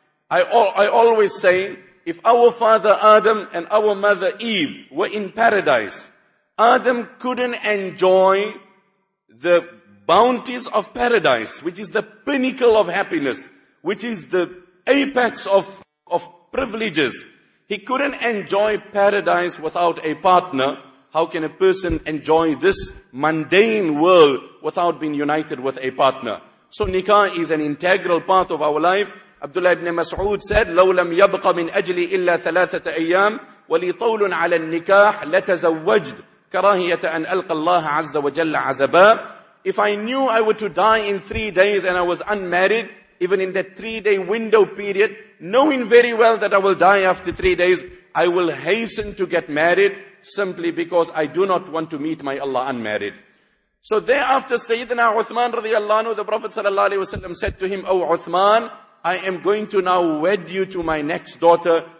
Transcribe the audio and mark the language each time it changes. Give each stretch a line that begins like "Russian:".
English: I always say, if our father Adam and our mother Eve were in paradise, Adam couldn't enjoy the bounties of paradise, which is the pinnacle of happiness, which is the apex of privileges. He couldn't enjoy paradise without a partner. How can a person enjoy this mundane world without being united with a partner? So nikah is an integral part of our life. Abdullah ibn Mas'ud said,
Arabic: لَوْ لَمْ يَبْقَ مِنْ أَجْلِي إِلَّا ثَلَاثَةَ أَيَّامٍ وَلِطَوْلٌ عَلَى النِّكَاحِ لَتَزَوَّجْدٌ كَرَاهِيَةَ أَنْ أَلْقَ اللَّهَ عَزَّ وَجَلَّ عَزَبًا.
English: If I knew I were to die in 3 days and I was unmarried, even in that 3 day window period, knowing very well that I will die after 3 days, I will hasten to get married simply because I do not want to meet my Allah unmarried. So thereafter, Sayyidina Uthman radiallahu anhu, the Prophet sallallahu alaihi wasallam said to him, O Uthman, I am going to now wed you to my next daughter.